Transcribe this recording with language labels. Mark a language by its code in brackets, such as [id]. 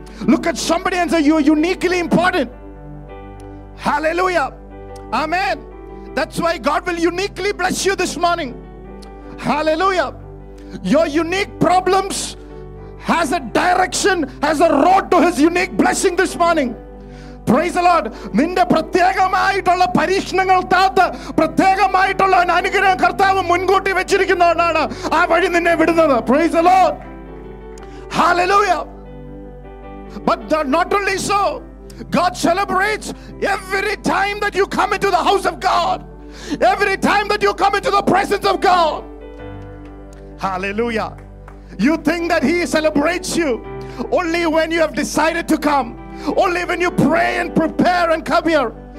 [en] Look at somebody and say, you are uniquely important. Hallelujah. Amen. That's why God will uniquely bless you this morning. Hallelujah. Your unique problems has a direction, has a road to his unique blessing this morning. Praise the Lord. [ml] നിന്റെ പ്രത്യേകമായിട്ടുള്ള പരീക്ഷണങ്ങൾ താത്ത് പ്രത്യേകമായിട്ടുള്ള അനുഗ്രഹം കർത്താവ് മുൻകൂട്ടി വെച്ചിരിക്കുന്നതുകൊണ്ടാണ് ആ വഴി നിന്നെ വിടുന്നത്. [en] Praise the Lord. Hallelujah. But not only so, God celebrates every time that you come into the house of God, every time that you come into the presence of God. Hallelujah. You think that he celebrates you only when you have decided to come, only when you pray and prepare and come here.